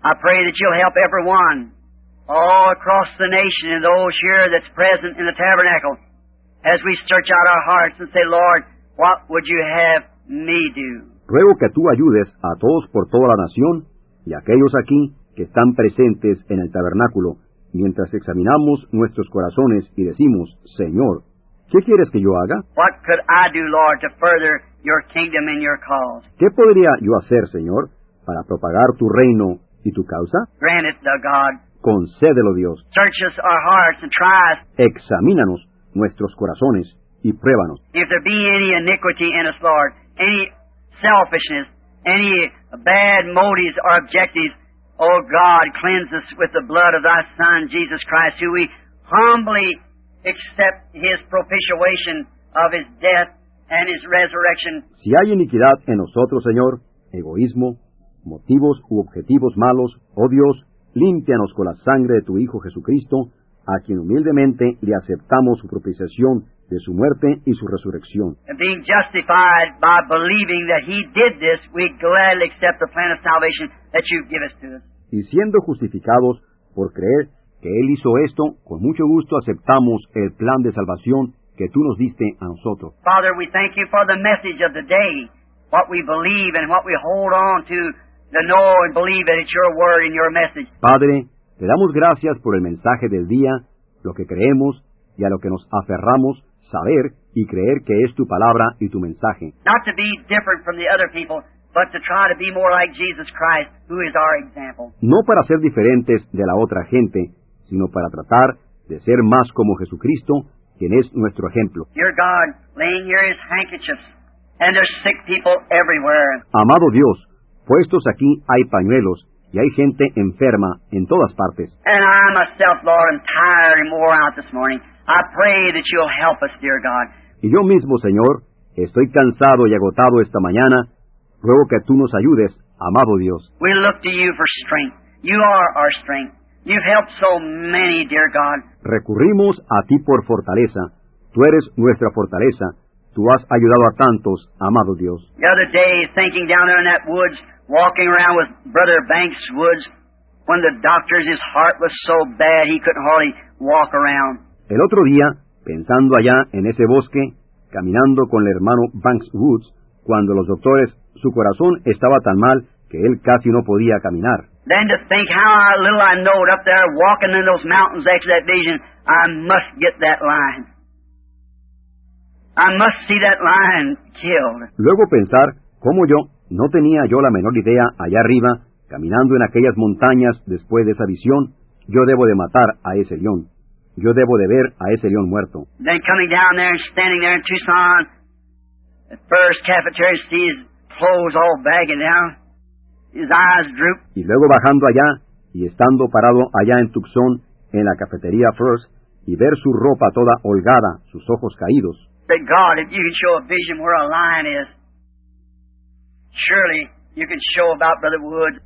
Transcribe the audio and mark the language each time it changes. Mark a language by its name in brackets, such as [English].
[English] I pray that you'll help everyone all across the nation and those here that's present in the tabernacle as we search out our hearts and say, Lord, what would you have me do? [Spanish] Ruego que tú ayudes a todos por toda la nación y a aquellos aquí que están presentes en el tabernáculo mientras examinamos nuestros corazones y decimos, Señor, ¿qué quieres que yo haga? [English] What could I do, Lord, to further your kingdom and your cause? [Spanish] ¿Qué podría yo hacer, Señor, para propagar tu reino y tu causa? [English] Grant it, the God. [Spanish] Concédelo, Dios. [English] Search us our hearts and try us. [Spanish] Examínanos nuestros corazones y pruébanos. [English] If there be any iniquity in us, Lord, any selfishness, any bad motives or objectives, oh God, cleanse us with the blood of thy Son, Jesus Christ, who we humbly accept his propitiation of his death and his resurrection. [Spanish] Si hay iniquidad en nosotros, Señor, egoísmo, motivos u objetivos malos, oh Dios, límpianos con la sangre de tu Hijo Jesucristo, a quien humildemente le aceptamos su propiciación de su muerte y su resurrección. [English] And being justified by believing that he did this, we gladly accept the plan of salvation that you've given to us. [Spanish] Y siendo justificados por creer que Él hizo esto, con mucho gusto aceptamos el plan de salvación que tú nos diste a nosotros. [English] Father, we thank you for the message of the day, what we believe and what we hold on to know and believe that it's your word and your message. [Spanish] Padre, te damos gracias por el mensaje del día, lo que creemos y a lo que nos aferramos, saber y creer que es tu palabra y tu mensaje. [English] Not to be different from the other people, but to try to be more like Jesus Christ, who is our example. [Spanish] No para ser diferentes de la otra gente, sino para tratar de ser más como Jesucristo, quien es nuestro ejemplo. [English] Dear God, laying here his handkerchiefs, and there's sick people everywhere. [Spanish] Amado Dios, puestos aquí hay pañuelos, y hay gente enferma en todas partes. [English] And I myself, Lord, am tired and worn out this morning. I pray that you'll help us, dear God. [Spanish] Y yo mismo, Señor, estoy cansado y agotado esta mañana. Ruego que tú nos ayudes, amado Dios. [English] We look to you for strength. You are our strength. You've helped so many, dear God. [Spanish] Recurrimos a ti por fortaleza. Tú eres nuestra fortaleza. Tú has ayudado a tantos, amado Dios. [English] The other day, thinking down there in that woods, walking around with Brother Banks Woods, when the doctors, his heart was so bad, he couldn't hardly walk around. [Spanish] El otro día, pensando allá en ese bosque, caminando con el hermano Banks Woods, cuando los doctores, su corazón estaba tan mal que él casi no podía caminar. [English] Then to think how little I know it up there, walking in those mountains after that vision, I must get that lion. I must see that lion killed. [Spanish] Luego pensar cómo yo no tenía yo la menor idea allá arriba, caminando en aquellas montañas después de esa visión, yo debo de matar a ese león. Yo debo de ver a ese león muerto. [English] Then coming down there and standing there in Tucson, the first cafeteria sees clothes all bagging down. His eyes droop. [Spanish] Y luego bajando allá y estando parado allá en Tucson, en la cafetería First, y ver su ropa toda holgada, sus ojos caídos. [English] Say, God, if you can show a vision where a lion is, surely you can show about Brother Wood.